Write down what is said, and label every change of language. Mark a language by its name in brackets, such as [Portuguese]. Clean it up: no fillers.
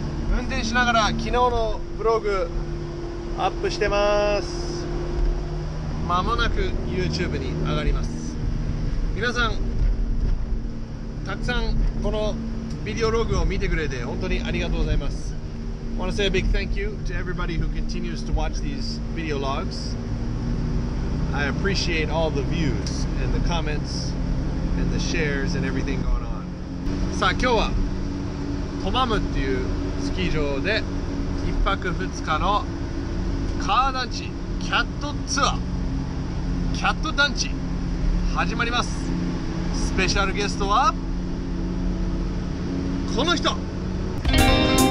[Japanese] 運転しながら昨日のブログアップしてます。間もなく YouTube に上がります。皆さん、たくさんこのビデオログを見てくれて本当にありがとうございます。 [English] I want to say a big thank you to everybody who continues to watch these video logs. I appreciate all the views and the comments and the shares and everything going on. [Japanese] さあ今日は Tomamu っていうスキー場で一泊二日のカーダンチキャットツアーキャットダンチ始まります。スペシャルゲストはこの人。